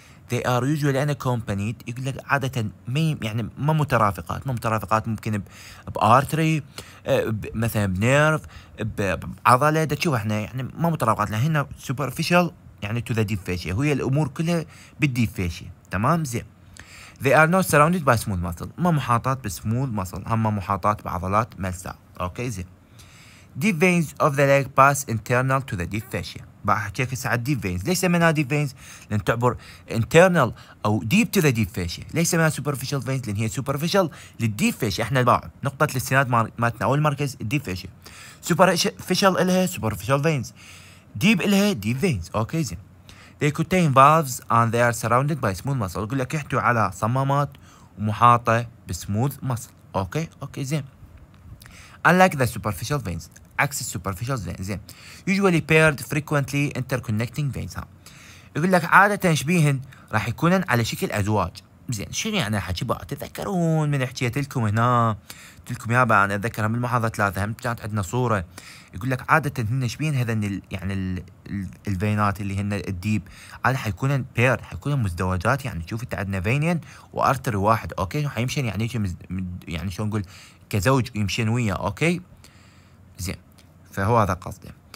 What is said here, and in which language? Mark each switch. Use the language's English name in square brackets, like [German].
[English] They are usually unaccompanied، [Arabic] يقول لك عادة ما يعني ما مترافقات ممكن بارتري مثلا بنيرف بعضلة، ده تشوف احنا يعني ما مترافقات، لأن هنا superficial يعني [English] to the deep fascia، [Arabic] هي الأمور كلها بالdeep fascia تمام. زين [English] They are not surrounded by smooth muscle، [Arabic] ما محاطات بsmooth muscle، أما محاطات بعضلات ملساء، أوكي؟ زين [English] deep veins of the leg pass internal to the deep fascia، [Arabic] بحكيك هسه على deep veins، ليش سميناها deep veins؟ لأن تعبر internal أو [English] deep to the deep fascia، [Arabic] ليش سميناها superficial veins؟ لأن هي superficial للdeep fascia، إحنا البعض نقطة الاستناد مالتنا أو المركز deep fascia، superficial إلها superficial veins، deep إلها deep veins، أوكي زين. [English] They contain valves and they are surrounded by smooth muscle، [Arabic] أقول لك يحتوي على صمامات ومحاطة بsmooth muscle، أوكي؟ أوكي زين. [English] Unlike the superficial veins، [Arabic] عكس السوبرفيشال فينز، زين يوجوالي بيرد فريكوينتلي انتركونكتينج فينز، ها يقول لك عادة شبيهن راح يكونن على شكل ازواج. زين شنو يعني هالحكي بقى؟ تذكرون من حكيت لكم هنا تلكم يا بقى، انا اتذكرها من المحاضره الثالثه هم كانت عندنا صوره، يقول لك عاده هن شبيهن هذن يعني الفينات اللي هن الديب على حيكونن بيرد، حيكونن مزدوجات، يعني شوف انت عندنا فينين وارتري واحد، اوكي؟ وحيمشين يعني يعني شلون نقول كزوج يمشين ويا، اوكي؟ زين فهو هذا قصده.